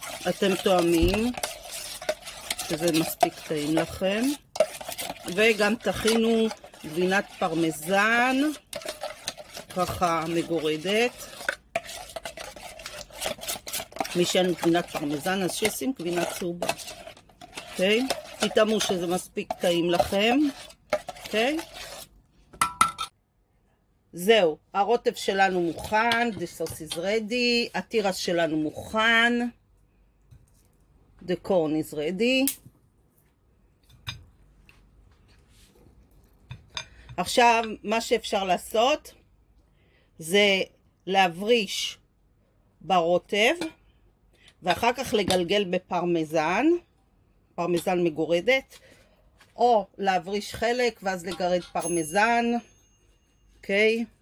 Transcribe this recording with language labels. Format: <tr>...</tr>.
<he>אתם תואמים שזה מספיק טעים לכם, וגם תכינו גבינת פרמזן ככה מגורדת. מי שאין גבינת פרמזן אז שישים גבינת צהובה, כן. תתאמו שזה מספיק טעים לכם, כן. זהו, הרוטב שלנו מוכן,</he> <en>the sauce is ready,</en> <he>התירס שלנו מוכן,</he> <en>the corn is ready.</en> <he>עכשיו, מה שאפשר לעשות, זה להבריש ברוטב, ואחר כך לגלגל בפרמזן, פרמזן מגורדת, או להבריש חלק ואז לגרד פרמזן, אוקיי?</he>